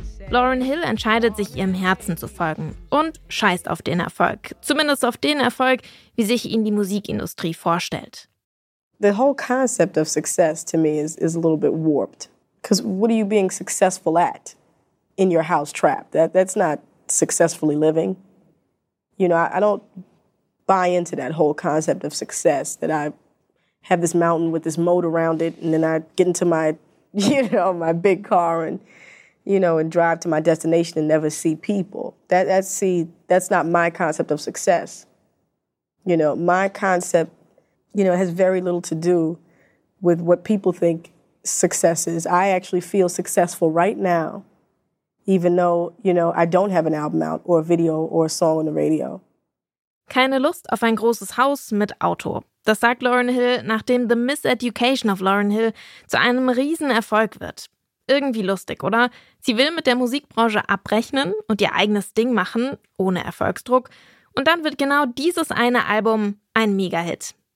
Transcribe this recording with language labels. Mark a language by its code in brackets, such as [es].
[de] Lauryn Hill entscheidet sich, ihrem Herzen zu folgen und scheißt auf den Erfolg. Zumindest auf den Erfolg, wie sich ihn die Musikindustrie vorstellt. [en] The whole concept of success to me is a little bit warped. Because what are you being successful at in your house trap? That's not successfully living. You know, I don't buy into that whole concept of success, that I have this mountain with this moat around it and then I get into my, you know, my big car and, you know, and drive to my destination and never see people. That's not my concept of success. You know, my concept, you know, has very little to do with what people think success is. I actually feel successful right now, even though, you know, I don't have an album out or a video or a song on the radio. [de] Keine Lust auf ein großes Haus mit Auto. Das sagt Lauryn Hill, nachdem The Miseducation of Lauryn Hill zu einem Riesenerfolg wird. Irgendwie lustig, oder? Sie will mit der Musikbranche abrechnen und ihr eigenes Ding machen, ohne Erfolgsdruck. Und dann wird genau dieses eine Album ein Mega-Hit.